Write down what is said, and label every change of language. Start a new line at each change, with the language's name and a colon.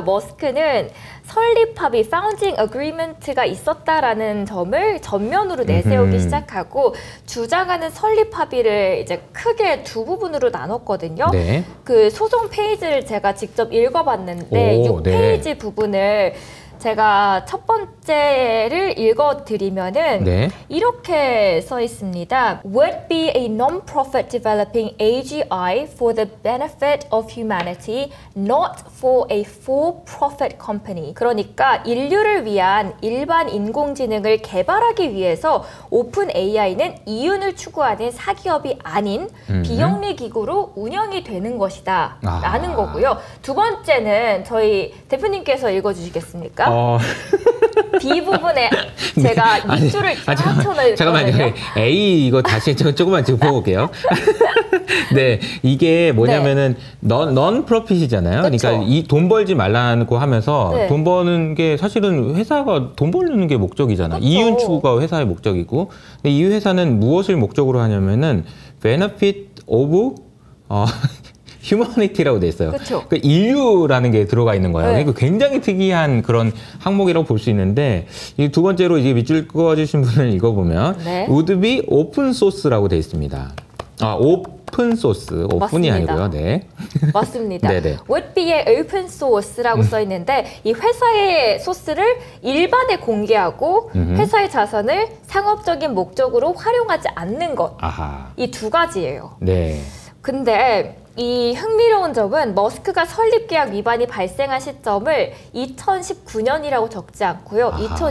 Korean: 머스크는 설립합의
English: (founding agreement)
Korean: 가 있었다라는 점을 전면으로 내세우기 시작하고 주장하는 설립합의를 이제 크게 두 부분으로 나눴거든요. 네. 그 소송 페이지를 제가 직접 읽어봤는데 6페이지 네. 부분을 제가 첫 번째를 읽어드리면은 네. 이렇게 써 있습니다.
English: Would be a non-profit developing AGI for the benefit of humanity, not for a for-profit company.
Korean: 그러니까 인류를 위한 일반 인공지능을 개발하기 위해서 오픈 AI는 이윤을 추구하는 사기업이 아닌 비영리 기구로 운영이 되는 것이다 아. 라는 거고요. 두 번째는 저희 대표님께서 읽어주시겠습니까? 비 부분에 제가 밑줄을 네. 잠깐만요. A 이거 다시 조금만 지금 보고게요. 네, 이게 뭐냐면은 네. non-profit이잖아요. 그러니까 이 돈 벌지 말라고 하면서 네. 돈 버는 게 사실은 회사가 돈 벌는 게 목적이잖아. 그쵸. 이윤 추구가 회사의 목적이고, 근데 이 회사는 무엇을 목적으로 하냐면은
English: benefit of humanity
Korean: 라고 돼 있어요. 그러니까 인류라는 게 들어가 있는 거예요. 네. 그러니까 굉장히 특이한 그런 항목이라고 볼 수 있는데 이 두 번째로 이제 밑줄 그어주신 분을 읽어보면 네.
English: would be open source
Korean: 라고 돼 있습니다. 아, 오픈 소스, 오픈이 맞습니다. 아니고요. 네. 맞습니다. 네네.
English: would be a open source
Korean: 라고 써 있는데 이 회사의 소스를 일반에 공개하고 회사의 자산을 상업적인 목적으로 활용하지 않는 것. 아하. 이 두 가지예요. 네. 근데 이 흥미로운 점은 머스크가 설립 계약 위반이 발생한 시점을 2019년이라고 적지 않고요. 아하.